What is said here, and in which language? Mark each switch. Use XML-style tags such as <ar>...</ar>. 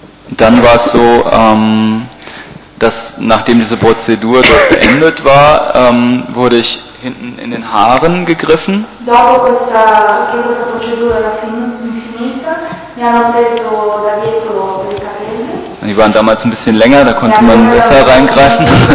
<de>Dann war es so, dass nachdem diese Prozedur dort beendet war, wurde ich hinten in den Haaren gegriffen.</de> <it>Dopo questa procedura era finita, mi hanno preso da dietro per i capelli.</it> <de>Die waren damals ein bisschen länger, da konnte man besser reingreifen.</de>